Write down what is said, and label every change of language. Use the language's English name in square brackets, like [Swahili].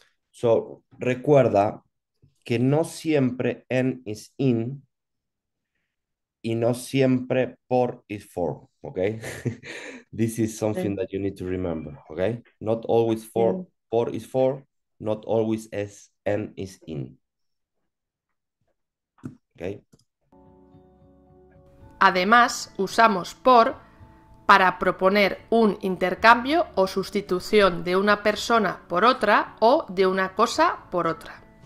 [Spanish] So recuerda que no siempre N [English] is in [Spanish] y no siempre por [English] is for. Okay? This is something that you need to remember. Okay? Not always [Spanish] Sí. [English] for is for, not always as N is in. Okay. [Spanish] Además, usamos por para proponer un intercambio o sustitución de una persona por otra o de una cosa por otra.